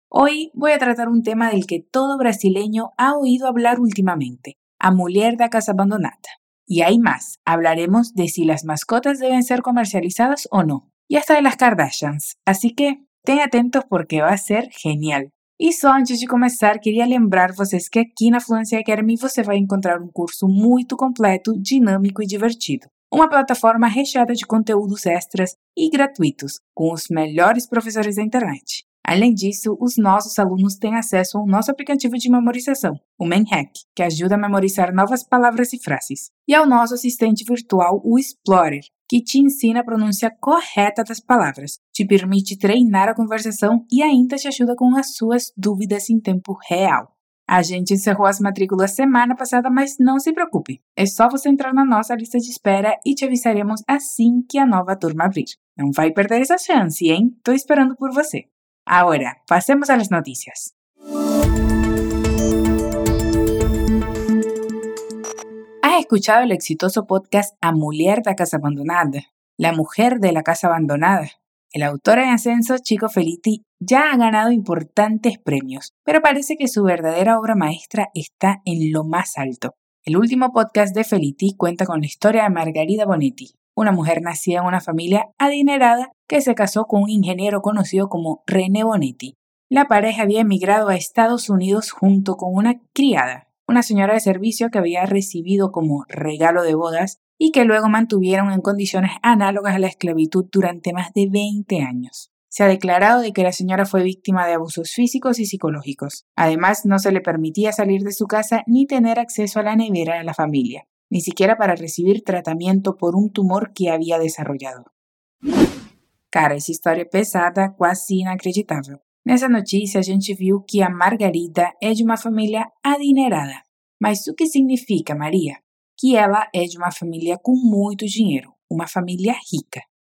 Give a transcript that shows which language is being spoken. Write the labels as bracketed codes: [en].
[es] Hoy voy a tratar un tema del que todo brasileño ha oído hablar últimamente, a mulher da casa abandonada. Y hay más, hablaremos de si las mascotas deben ser comercializadas o no, y hasta de las Kardashians, así que estén atentos porque va a ser genial. [pt] E só antes de começar, queria lembrar vocês que aqui na Fluency Academy você vai encontrar um curso muito completo, dinâmico e divertido. Uma plataforma recheada de conteúdos extras e gratuitos, com os melhores professores da internet. Além disso, os nossos alunos têm acesso ao nosso aplicativo de memorização, o MemHack, que ajuda a memorizar novas palavras e frases. E ao nosso assistente virtual, o Explorer, que te ensina a pronúncia correta das palavras, te permite treinar a conversação e ainda te ajuda com as suas dúvidas em tempo real. A gente encerrou as matrículas semana passada, mas não se preocupe. É só você entrar na nossa lista de espera e te avisaremos assim que a nova turma abrir. Não vai perder essa chance, hein? Tô esperando por você. Agora, passemos às notícias. [es] ¿Has escuchado el exitoso podcast A Mulher da Casa Abandonada? La Mujer de la Casa Abandonada. El autor en ascenso, Chico Felitti, ya ha ganado importantes premios, pero parece que su verdadera obra maestra está en lo más alto. El último podcast de Felitti cuenta con la historia de Margarida Bonetti, una mujer nacida en una familia adinerada que se casó con un ingeniero conocido como René Bonetti. La pareja había emigrado a Estados Unidos junto con una criada, una señora de servicio que había recibido como regalo de bodas y que luego mantuvieron en condiciones análogas a la esclavitud durante más de 20 años. Se ha declarado de que la señora fue víctima de abusos físicos y psicológicos. Además, no se le permitía salir de su casa ni tener acceso a la nevera de la familia, ni siquiera para recibir tratamiento por un tumor que había desarrollado. [pt] Cara, [es] esa historia pesada, casi inacreditable. [pt] Nessa notícia, a gente viu que a Margarida é de uma família adinerada. Mas o que significa, Maria? Que ela é de uma família com muito dinheiro, uma família rica.